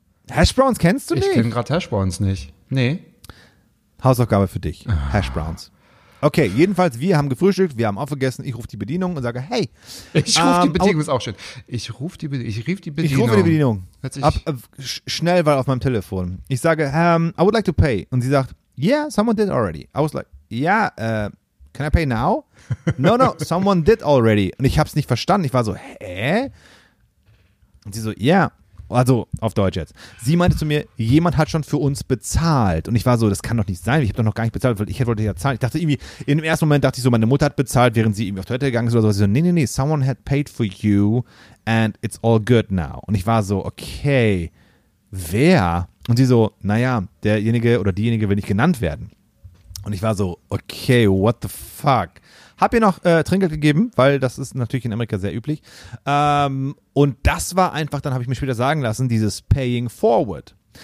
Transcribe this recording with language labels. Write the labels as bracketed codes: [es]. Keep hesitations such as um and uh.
[de] Hash Browns kennst du ich nicht? Ich kenne gerade Hash Browns nicht. Nee. Hausaufgabe für dich. Ah. Hash Browns. Okay, jedenfalls, wir haben gefrühstückt, wir haben auch vergessen. Ich rufe die Bedienung und sage, hey. Ich ähm, rufe die Bedienung, ist auch schön. Ich rufe die, Be ich rief die Bedienung. Ich rufe die Bedienung. Ab, ab, schnell, weil auf meinem Telefon. Ich sage, um, [en] I would like to pay. [de] Und sie sagt, [en] yeah, someone did already. I was like, yeah, uh, can I pay now? no, no, someone did already. [de] Und ich habe es nicht verstanden. Ich war so, hä? Und sie so, yeah, also auf Deutsch jetzt. Sie meinte zu mir, jemand hat schon für uns bezahlt. Und ich war so, das kann doch nicht sein. Ich habe doch noch gar nicht bezahlt, ich wollte ja zahlen. Ich dachte irgendwie, in dem ersten Moment dachte ich so, meine Mutter hat bezahlt, während sie irgendwie auf Toilette gegangen ist oder so. Sie so, nee, nee, nee, [en] someone had paid for you and it's all good now. [de] Und ich war so, okay, wer? Und sie so, naja, derjenige oder diejenige will nicht genannt werden. Und ich war so, okay, [en] what the fuck? [de] Hab ihr noch äh, Trinkgeld gegeben, weil das ist natürlich in Amerika sehr üblich. Ähm, und das war einfach, dann habe ich mir später sagen lassen, dieses Paying Forward.